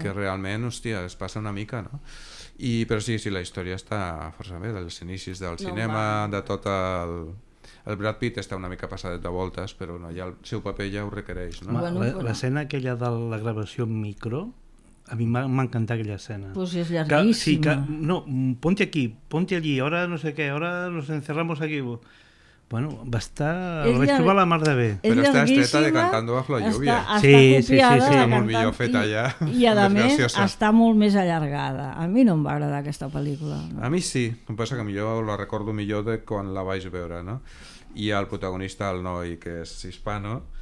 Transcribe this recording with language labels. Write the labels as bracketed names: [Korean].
[Catalan] Que realment, hòstia, es passa una mica, no? I però sí, la història està força bé, dels inicis del cinema, de tot el Brad Pitt està una mica passadet de voltes, però no, ja el seu paper ja ho requereix, no? L'escena aquella de la gravació micro. A mi m'ha encantat aquella escena. Pues és llarguíssima. [Spanish] Que, sí, que, no, ponte aquí, ponte allí, ahora [Catalan] no sé què, [Spanish] ahora nos encerramos aquí. [Catalan] Bueno, va estar... Ho vaig trobar la mar de bé. Però està estreta de Cantando bajo la lluvia. Està copiada. Molt millor feta allà. I a més, està molt més allargada. A mi no em va agradar aquesta pel·lícula. No? A mi sí. Em passa que millor la recordo millor de quan la vaig veure, no? I el protagonista, el noi, que és hispano...